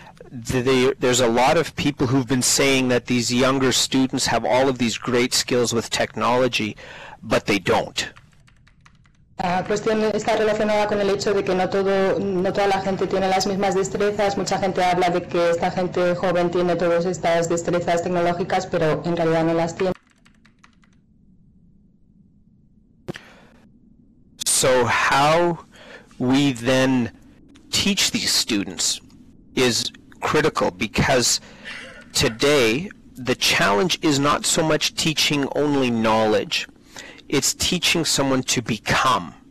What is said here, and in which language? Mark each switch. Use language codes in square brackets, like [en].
[en] There's a lot of people who've been saying that these younger students have all of these great skills with technology, but they don't. [es] La cuestión está relacionada con el hecho de que no toda la gente tiene las mismas destrezas. Mucha gente habla de que esta gente joven tiene todas estas destrezas tecnológicas, pero en realidad no las tiene. [en] So how we then teach these students is critical, because today the challenge is not so much teaching only knowledge, it's teaching someone to become.